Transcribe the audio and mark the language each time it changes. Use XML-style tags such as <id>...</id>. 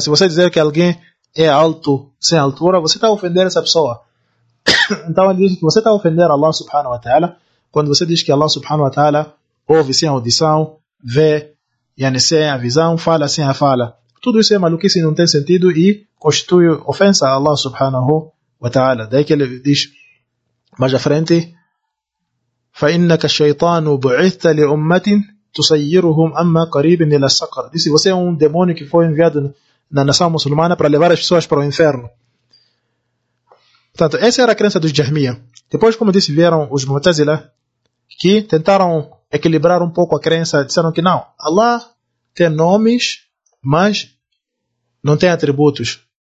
<pt>Se você dizer que alguém é alto sem altura, você está a ofender essa pessoa. Então ele disse que você está a ofender Allah subhanahu wa ta'ala quando você diz que Allah subhanahu wa ta'ala ouve sem audição, vê yani, sem a visão, fala sem a fala. Tudo isso é maluquice e não tem sentido e constitui ofensa a Allah subhanahu wa ta'ala. Daí que ele diz mais à frente,</pt> <ar>فَإِنَّكَ الشَّيْطَانُ بُعِثْتَ لِأُمَّةٍ تُسَيِّرُهُمْ أَمَّا قَرِيبٍ إِلَى السَّقَرِ.</ar> <pt>Disse, você é um demônio que foi enviado na nação muçulmana para levar as pessoas para o inferno. Portanto, essa era a crença dos Jahmiyyah. Depois, como disse, vieram os Mu'tazila que tentaram equilibrar um pouco a crença. Disseram que não, Allah tem nomes, mas não tem atributos.</pt>